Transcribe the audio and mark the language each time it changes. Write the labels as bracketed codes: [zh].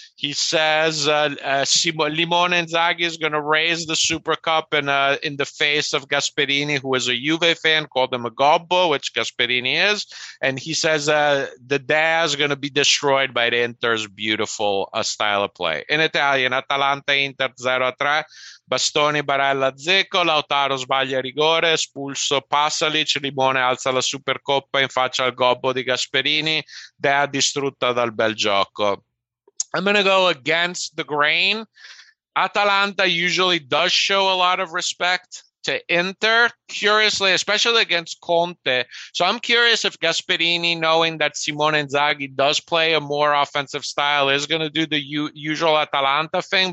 [en] He says Limone Inzaghi is going to raise the Super Cup in the face of Gasperini, who is a Juve fan, called him a gobbo, which Gasperini is. And he says the Dea is going to be destroyed by the Inter's beautiful style of play. In Italian, Atalanta Inter 0-3. [it] Bastoni, Barella, Dzeko, Lautaro sbaglia rigore, espulso Pasalic, Limone alza la Supercoppa in faccia al gobbo di Gasperini, Dea distrutta dal bel gioco. [en] I'm going to go against the grain. Atalanta usually does show a lot of respect to Inter, curiously, especially against Conte. So I'm curious if Gasperini, knowing that Simone Inzaghi does play a more offensive style, is going to do the usual Atalanta thing.